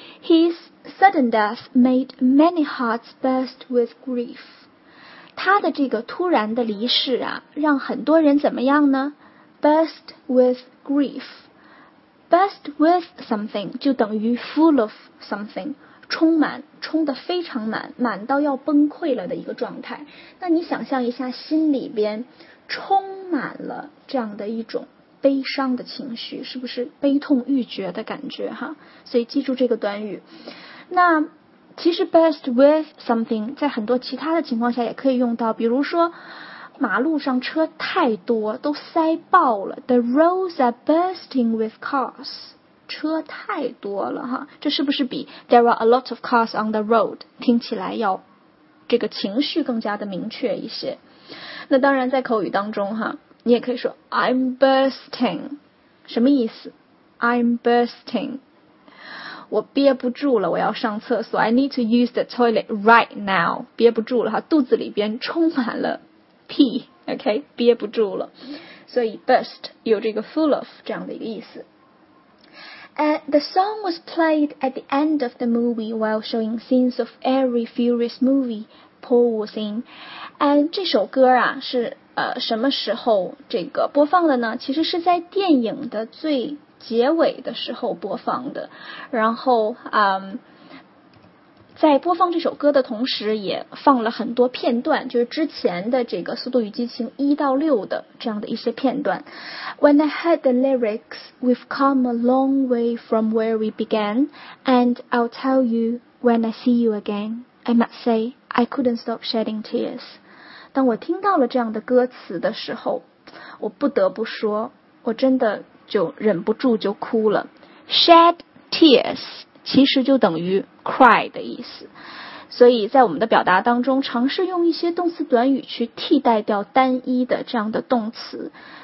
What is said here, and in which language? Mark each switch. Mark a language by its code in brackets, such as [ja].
[en] His sudden death made many hearts burst with grief。 [zh] 他的这个突然的离世啊，让很多人怎么样呢？ Burst with grief, burst with something 就等于 full of something， 充满，充得非常满，满到要崩溃了的一个状态。那你想象一下，心里边充满了这样的一种悲伤的情绪，是不是悲痛欲绝的感觉哈？所以记住这个短语。那其实 burst with something 在很多其他的情况下也可以用到，比如说马路上车太多，都塞爆了。 [en] The roads are bursting with cars. [zh] 车太多了哈，这是不是比 [en] There are a lot of cars on the road [zh] 听起来要这个情绪更加的明确一些？那当然，在口语当中哈，你也可以说 [en] I'm bursting， [zh] 什么意思 ？I'm bursting， 我憋不住了，我要上厕所。 [en] I need to use the toilet right now. [zh] 憋不住了哈，肚子里边充满了。 OK， 憋不住了，所以 burst 有这个 full of 这样的一个意思。 [en] The song was played at the end of the movie while showing scenes of every Furious movie Paul was in. [zh] And 这首歌啊是什么时候这个播放的呢？其实是在电影的最结尾的时候播放的，然后在播放这首歌的同时也放了很多片段，就是之前的这个速度与激情一到六的这样的一些片段。 [en] When I heard the lyrics, we've come a long way from where we began, and I'll tell you when I see you again, I must say, I couldn't stop shedding tears. [zh] 当我听到了这样的歌词的时候，我不得不说，我真的就忍不住就哭了。 Shed tears其实就等于 cry 的意思，所以在我们的表达当中，尝试用一些动词短语去替代掉单一的这样的动词。